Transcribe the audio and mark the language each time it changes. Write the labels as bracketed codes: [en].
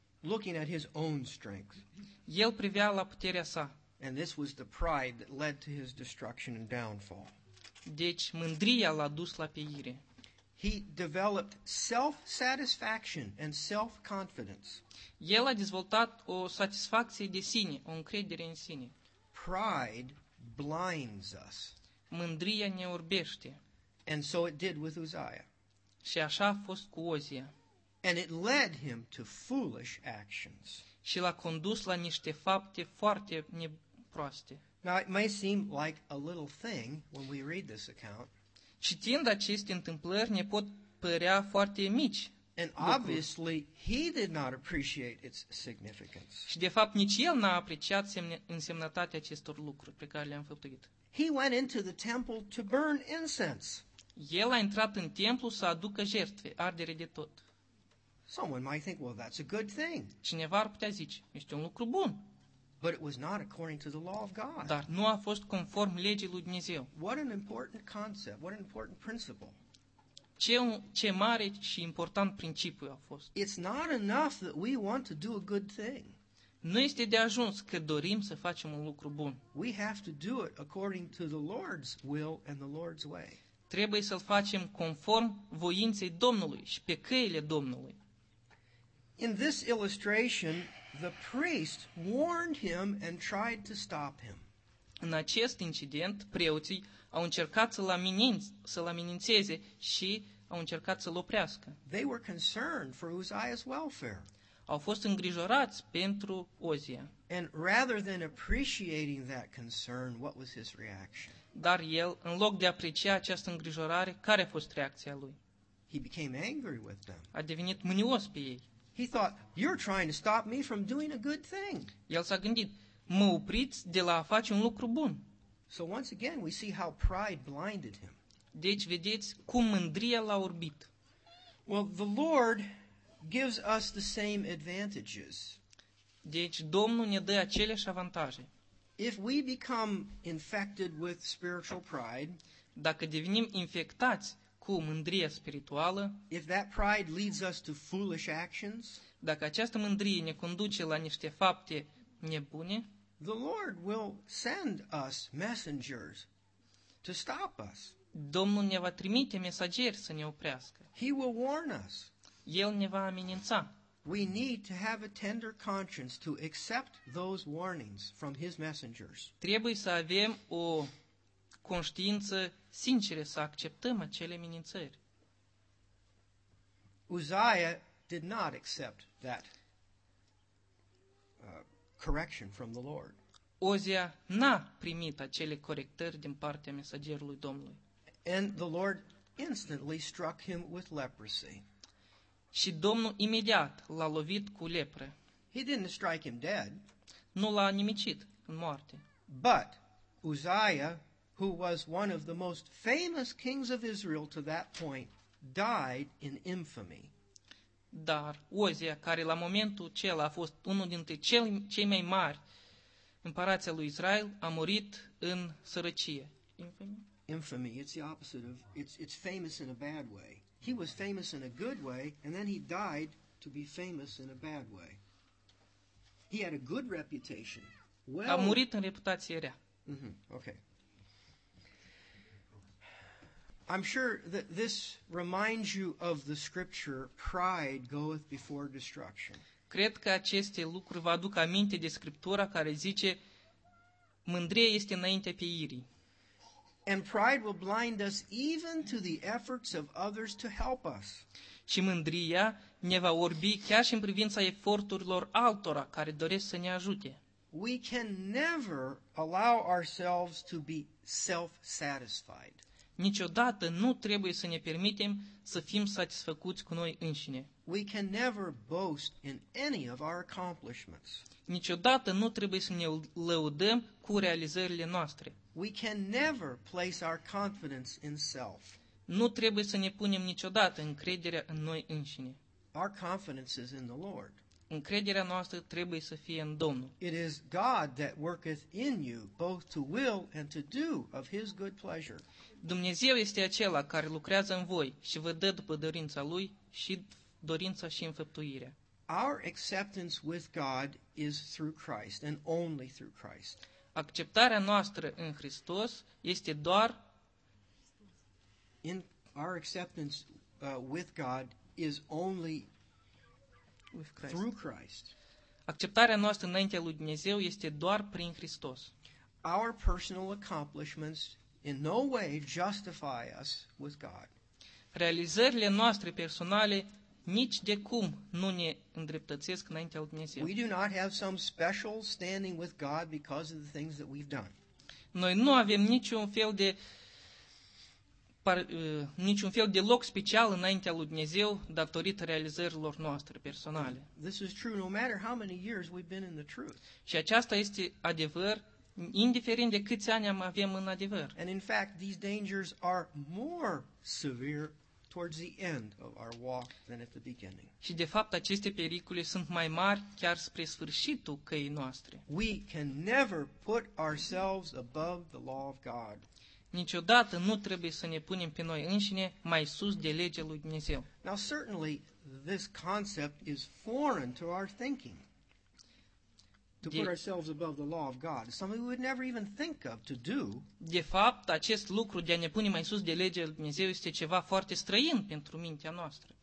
[en] Looking at his own strength. [ro] El privea la puterea sa. [en] And this was the pride that led to his destruction and downfall. [ro] Deci mândria l-a dus la pieire. [en] He developed self-satisfaction and self-confidence. [ro] El a dezvoltat o satisfacție de sine, o încredere în sine. [en] Pride blinds us. [ro] Mândria ne orbește. [en] And so it did with Uzziah. [ro] Și așa a fost cu Uzia. [en] And it led him to foolish actions. [ro] Și l-a condus la niște fapte foarte neproaste. [en] Now it may seem like a little thing when we read this account. [ro] Citind aceste întâmplări, ne pot părea foarte mici. [en] And obviously he did not appreciate its significance. [ro] Și de fapt nici el n-a apreciat însemnătatea acestor lucruri pe care le-am făptuit. [en] He went into the temple to burn incense. [ro] El a intrat în templu să aducă jertfe, ardere de tot. [en] Someone might think, well, that's a good thing. [ro] Cineva ar putea zice, este un lucru bun. [en] But it was not according to the law of God. [ro] Dar nu a fost conform legii lui Dumnezeu. [en] What an important concept, what an important principle. [ro] Ce mare și important principiu a fost. [en] It's not enough that we want to do a good thing. [ro] Nu este de ajuns că dorim să facem un lucru bun. [en] We have to do it according to the Lord's will and the Lord's way. [ro] Trebuie să-l facem conform voinței Domnului și pe căile Domnului. [en] In this illustration, the priest warned him and tried to stop him. [ro] În acest incident, preoții au încercat să-l amininteze și au încercat să-l oprească. [en] They were concerned for Uzziah's welfare. [ro] Au fost îngrijorați pentru Uzia. [en] And rather than appreciating that concern, what was his reaction? [ro] Dar el, în loc de aprecia această îngrijorare, care a fost reacția lui? [en] He became angry with them. [ro] A devenit mânios pe ei. [en] He thought, you're trying to stop me from doing a good thing. [ro] El s-a gândit, mă opriți de la a face un lucru bun. [en] So once again, we see how pride blinded him. [ro] Deci vedeți cum mândria l-a orbit. [en] Well, the Lord gives us the same advantages. [ro] Deci Domnul ne dă aceleași avantaje. [en] If we become infected with spiritual pride, [ro] dacă devenim infectați cu mândria spirituală, [en] if that pride leads us to foolish actions, [ro] dacă această mândrie ne conduce la niște fapte nebune, [en] the Lord will send us messengers to stop us. [ro] Domnul ne va trimite mesageri să ne oprească. [en] He will warn us. [ro] El ne va amenința. [en] We need to have a tender conscience to accept those warnings from his messengers. [ro] Trebuie să avem o conștiință sinceră să acceptăm acele amenințări. [en] Uzziah did not accept that correction from the Lord. [ro] Uzia n-a primit acele corectări din partea mesagerului Domnului. [en] And the Lord instantly struck him with leprosy. [ro] Și Domnul imediat l-a lovit cu lepră. [en] He didn't strike him dead. [ro] Nu l-a nimicit în moarte. [en] But Uzziah, who was one of the most famous kings of Israel to that point, died in infamy. [ro] Dar Uzia, care la momentul acela a fost unul dintre cei mai mari împărați al lui Israel, a murit în sărăcie. [en] Infamy, it's the opposite of, it's famous in a bad way. He was famous in a good way, and then he died to be famous in a bad way. He had a good reputation. [ro] Well, a murit în reputație rea. [en] Mm-hmm, okay. I'm sure that this reminds you of the scripture, pride goeth before destruction. [ro] Cred că aceste lucruri vă aduc aminte de scriptura care zice, mândria este înaintea pieirii. [en] And pride will blind us even to the efforts of others to help us. [ro] Și mândria ne va orbi chiar și în privința eforturilor altora care doresc să ne ajute. [en] We can never allow ourselves to be self-satisfied. [ro] Niciodată nu trebuie să ne permitem să fim satisfăcuți cu noi înșine. [en] We can never boast in any of our accomplishments. [ro] Niciodată nu trebuie să ne lăudăm cu realizările noastre. [en] We can never place our confidence in self. [ro] Nu trebuie să ne punem niciodată încrederea în noi înșine. [en] Our confidence is in the Lord. [ro] Încrederea noastră trebuie să fie în Domnul. [en] It is God that worketh in you both to will and to do of his good pleasure. [ro] Dumnezeu este acela care lucrează în voi și vă dă după dorința lui și dorința și înfăptuirea. [en] Our acceptance with God is through Christ and only through Christ. [ro] Acceptarea noastră în Hristos este doar [en] in our acceptance with God is only with Christ. Through Christ. [ro] Acceptarea noastră înaintea lui Dumnezeu este doar prin Hristos. [en] Our personal accomplishments in no way justify us with God. [ro] Realizările noastre personale nici de cum nu ne îndreptățesc înaintea lui Dumnezeu. [en] We do not have some special standing with God because of the things that we've done. [ro] Noi nu avem niciun fel de loc special înaintea lui Dumnezeu datorită realizărilor noastre personale. [en] This is true no matter how many years we've been in the truth. [ro] Și aceasta este adevăr indiferent de câți ani am avem în adevăr. [en] And in fact, these dangers are more severe towards the end of our walk than at the beginning. [ro] Și de fapt aceste pericole sunt mai mari chiar spre sfârșitul căii noastre. [en] We can never put ourselves above the law of God. [ro] Niciodată nu trebuie să ne punem pe noi înșine mai sus de legea lui Dumnezeu. [en] Now certainly this concept is foreign to our thinking. To put ourselves above the law of God. Something we would never even think of to do. [ro] De fapt, acest lucru de a ne pune mai sus de legea lui Dumnezeu este ceva foarte străin pentru mintea noastră.